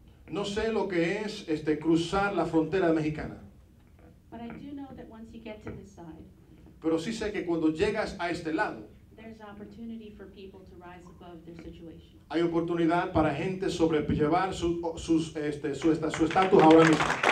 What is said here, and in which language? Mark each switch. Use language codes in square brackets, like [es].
[es] No sé lo que es cruzar la frontera mexicana. [en] But I do know that once you get to this side, [es] pero sí sé que cuando llegas a este lado, [en] there's opportunity for people to rise above their situation. [es] Hay oportunidad para gente sobrellevar su estatus ahora mismo.